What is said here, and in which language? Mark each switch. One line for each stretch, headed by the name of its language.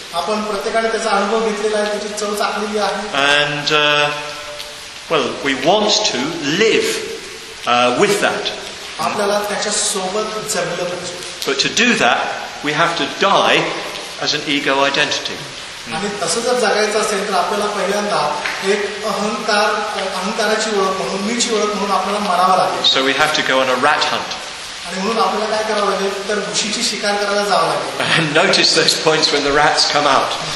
Marathi: आपण प्रत्येकाने त्याचा अनुभव घेतलेला आहे, त्याची चव चाखलेली आहे.
English: And well, we want to live with that.
Marathi: आपल्याला त्याच्या सोबत जगलं पाहिजे.
English: But to do that, we have to die as an ego identity.
Marathi: आणि तसं जर जगायचं असेल तर आपल्याला पहिल्यांदा एक अहंकाराची ओळख म्हणून, मीची ओळख म्हणून आपल्याला मरावं लागेल.
English: So we have to go on a rat hunt. And notice those points when the rats come out.